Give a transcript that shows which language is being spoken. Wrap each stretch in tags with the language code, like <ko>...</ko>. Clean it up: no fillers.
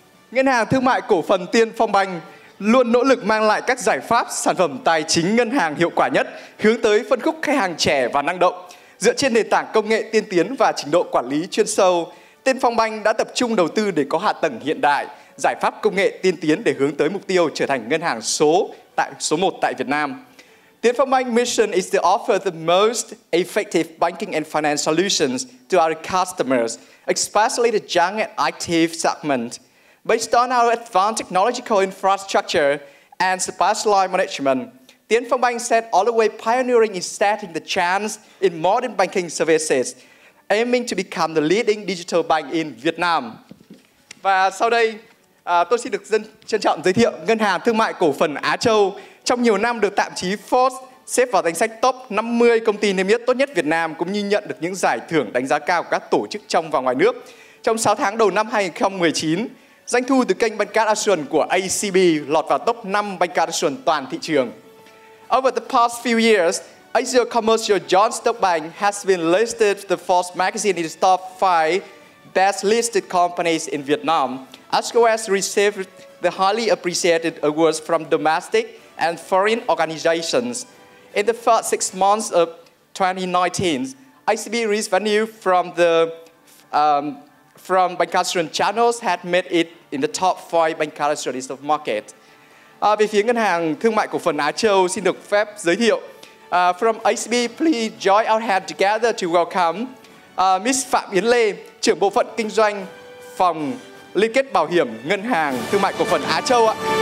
<vi>Ngân hàng Thương mại Cổ phần Tiên Phong Bank luôn nỗ lực mang lại các giải pháp, sản phẩm tài chính ngân hàng hiệu quả nhất, hướng tới phân khúc khách hàng trẻ và năng động. Dựa trên nền tảng công nghệ tiên tiến và trình độ quản lý chuyên sâu, Tiên Phong Bank đã tập trung đầu tư để có hạ tầng hiện đại, giải pháp công nghệ tiên tiến để hướng tới mục tiêu trở thành ngân hàng số 1 tại Việt Nam.</vi> <en>Tiên Phong Bank mission is to offer the most effective banking and finance solutions to our customers, especially the young and active segment. Based on our advanced technological infrastructure and specialized management, Tiên Phong Bank set all the way pioneering in setting the trends in modern banking services, aiming to become the leading digital bank in Vietnam.</en> <vi>Và sau đây, tôi xin được trân trọng giới thiệu Ngân hàng Thương mại Cổ phần Á Châu. Trong nhiều năm được tạp chí Forbes xếp vào danh sách top 50 công ty niêm yết tốt nhất Việt Nam, cũng như nhận được những giải thưởng đánh giá cao của các tổ chức trong và ngoài nước. Trong 6 tháng đầu năm 2019, doanh thu từ kênh Bank Card Assurance của ACB lọt vào top 5 Bank Card Assurance toàn thị trường.</vi> <en>Over the past few years, Asia Commercial John Stock Bank has been listed the Forbes magazine in the top 5 best listed companies in Vietnam, as well as received the highly appreciated awards from domestic and foreign organizations. In the first 6 months of 2019, ICB revenue from the from bank assurance channels had made it in the top 5 bank assurance of market.</en> <vi>Về phía ngân hàng thương mại cổ phần Á Châu xin được phép giới thiệu</vi> <en>from ICB, please join our hands together to welcome Ms.</en> <vi>Phạm Yến Lê, trưởng bộ phận kinh doanh phòng liên kết bảo hiểm ngân hàng thương mại cổ phần Á Châu ạ.</vi>